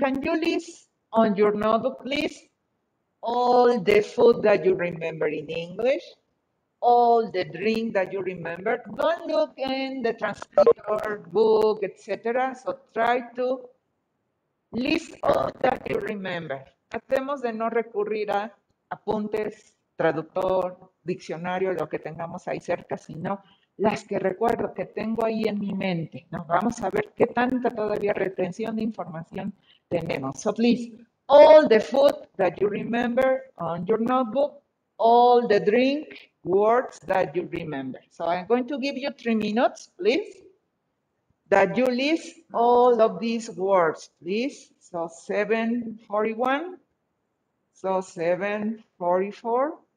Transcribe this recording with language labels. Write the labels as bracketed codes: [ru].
[en] Can you list on your notebook, please, all the food that you remember in English, all the drink that you remember? Don't look in the translator book, etc. So try to list all that you remember. [es] Tratemos de no recurrir a apuntes, traductor, diccionario, lo que tengamos ahí cerca, sino las que recuerdo, que tengo ahí en mi mente. Nos vamos a ver qué tanta todavía retención de información tenemos. [en] So please, all the food that you remember on your notebook, all the drink words that you remember. So I'm going to give you 3 minutes, please, that you list all of these words, please. So 7:41. So 7:44.